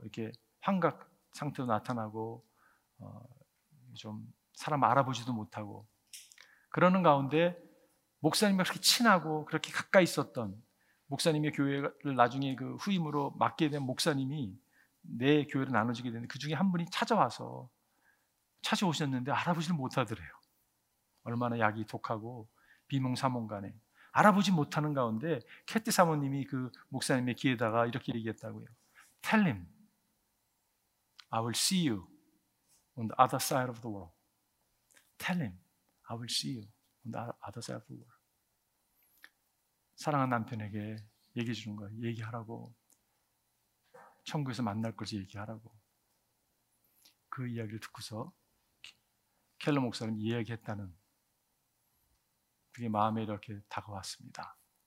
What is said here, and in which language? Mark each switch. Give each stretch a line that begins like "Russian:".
Korean: 이렇게 환각 상태도 나타나고 좀 사람 알아보지도 못하고 그러는 가운데 목사님과 그렇게 친하고 그렇게 가까이 있었던 목사님의 교회를 나중에 그 후임으로 맡게 된 목사님이 내 교회를 나눠지게 되는데 그 중에 한 분이 찾아와서 찾아오셨는데 알아보지를 못하더래요. 얼마나 약이 독하고 비몽사몽간에 알아보지 못하는 가운데 캐티 사모님이 그 목사님의 귀에다가 이렇게 얘기했다고요.
English: Tell him I will see you on the other side of the world. Tell him I will see you on the other side of the world.
Korean: 사랑한 남편에게 얘기해 주는 거예요. 얘기하라고. 천국에서 만날 것을 얘기하라고. 그 이야기를 듣고서 켈러 목사님 이야기했다는 그게 마음에 이렇게 다가왔습니다.